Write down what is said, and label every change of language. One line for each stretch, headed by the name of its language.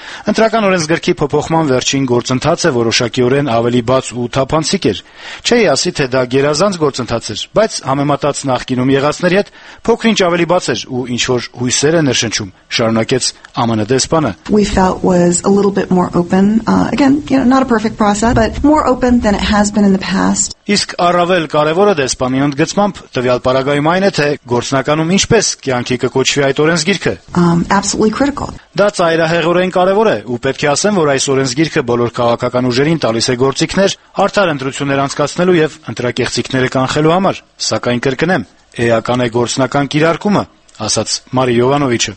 Armenian: Ընտրական օրենսգրքի փոփոխման վերջին գործընթացը որոշակիորեն ավելի բաց ու թափանցիկ էր։ Չէի ասի, թե դա գերազանց գործընթաց էր, բայց համեմատած նախկինում եղածների հետ փոքրինչ ավելի բաց էր ու ինչ որ հույսեր է ներշնչում, շարունակեց ԱՄՆ դեսպանը։
English: We felt was a little bit more open. Again, you know, not a perfect process, but more open than it has been in the past.
Armenian: Իսկ առավել կարևորը դեսպանի ընդգծմամբ տվյալ պարագայում այն է, թե գործնականում ինչպես կյանքի կկոչվի այդ օրենսգիրքը։
English: Absolutely critical.
Armenian: Դա ծայրահեղորեն կարևոր է, ու պետք է ասեմ, որ այս օրենսգիրքը բոլոր քաղաքական ուժերին տալիս է գործիքներ արդար ընտրություններ անցկացնելու եւ ընտրակեղծիքները կանխելու համար, սակայն կրկնեմ, էական է գործնական կիրարկումը, ասաց Մարի Յովանովիչը։